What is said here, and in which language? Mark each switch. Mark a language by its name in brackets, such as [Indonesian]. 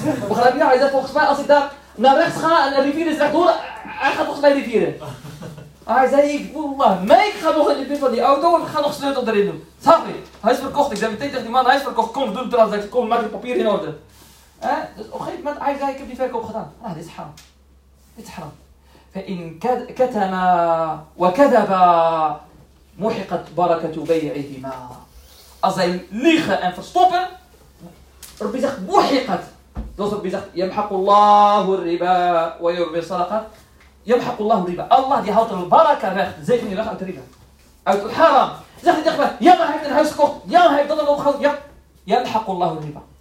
[Dutch] Begrijp je? Hij zei, volgens mij, als ik daar naar rechts ga en de rivier is rechtdoor, hij gaat volgens mij rivieren. Hij zei, ik ga nog in de buurt van die auto en ik ga nog sleutel erin doen. Snap je? Hij is verkocht. Ik zei meteen tegen die man, hij is verkocht. Kom, doe het transactie. Kom, maak je papier in orde. Dus op een gegeven moment, hij zei, ik heb die verkoop gedaan. Nou, dit is haram. Dit is haram. [Arabic] فإن كتم وكذب محقت بركة بيعهما. [Dutch] Als zij liegen en verstoppen, Rabbi zegt, muhiqat. Dus Rabbi zegt, [Arabic] yamhaqullahu riba wa yurbi sadaqa. Yamhaqullahu riba. [Dutch] Allah die haalt de baraka weg, de zegening weg uit riba. Uit het haram. Zegt hij, ja, hij heeft een huis gekocht. Ja, hij heeft dat allemaal gehad. Ja. [Arabic] Yamhaqullahu riba.